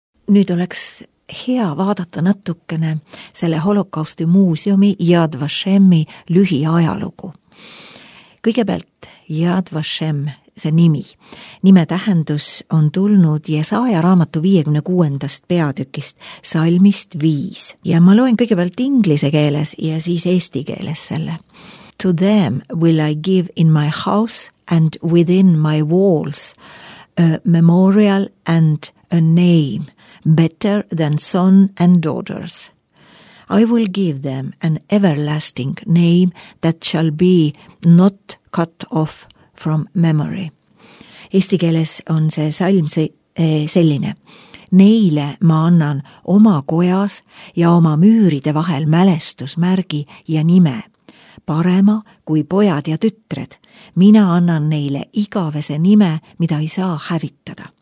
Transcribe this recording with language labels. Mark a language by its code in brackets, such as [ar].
[et] Nüüd oleks hea vaadata natukene selle holokausti muuseumi Yad Vashemi lühiajalugu. Kõigepealt Yad Vashem, see nimi. Nime tähendus on tulnud Jesaja raamatu 56. peatükist salmist 5. Ja ma loen kõigepealt inglise keeles ja siis eesti keeles selle. [en] To them will I give in my house and within my walls a memorial and a name better than son and daughters. I will give them an everlasting name that shall be not cut off from memory. [et] Eesti keeles on see salm selline. Neile ma annan oma kojas ja oma müüride vahel mälestusmärgi ja nime. Parema kui pojad ja tütred. Mina annan neile igavese nime, mida ei saa hävitada.